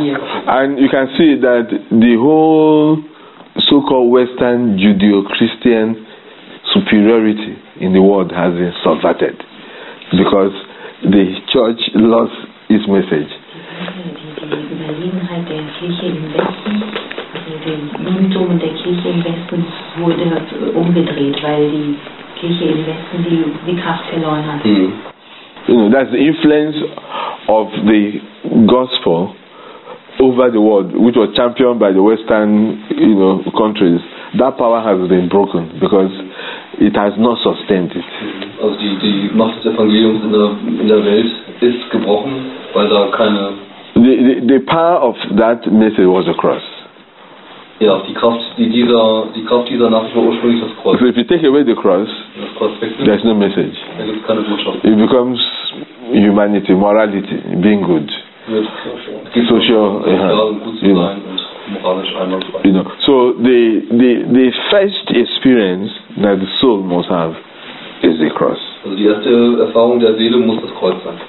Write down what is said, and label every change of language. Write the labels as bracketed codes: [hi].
[en] And you can see that the whole so-called Western Judeo-Christian superiority in the world has been subverted because the church lost its message. [de] die Überlegenheit der Kirche im Westen, also den Judentum und der Kirche im Westen, wurde umgedreht, weil die Kirche im Westen die Kraft verloren hat. Mm. [en] That's the influence of the gospel over the world, which was championed by the Western, you know, countries. That power has been broken because it has not sustained it. [de] Also die Macht des Evangeliums in der Welt ist gebrochen, weil da keine. [en] The power of that message was the cross. [de] Ja, die Kraft dieser Nachricht war ursprünglich das Kreuz. [en] So if you take away the cross, there's no message. [de] Da gibt's keine Botschaft. [en] It becomes humanity, morality, being good. Social, you know. So the first experience that the soul must have is the cross. [de] Also die erste Erfahrung der Seele muss das Kreuz sein.